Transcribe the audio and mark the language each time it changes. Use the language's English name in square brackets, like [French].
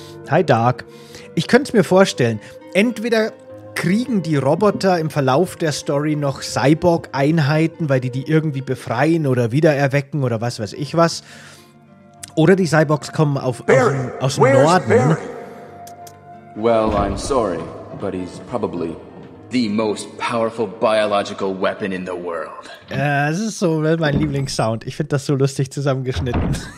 [German] Hi Dark. Ich könnte es mir vorstellen. Entweder kriegen die Roboter im Verlauf der Story noch Cyborg-Einheiten, weil die irgendwie befreien oder wiedererwecken oder was weiß ich was. Oder die Cyborgs kommen aus dem Norden. [English] Barry? Well, I'm sorry, but he's probably the most powerful biological weapon in the world. [German] Das ist so mein Lieblingssound. Ich finde das so lustig zusammengeschnitten.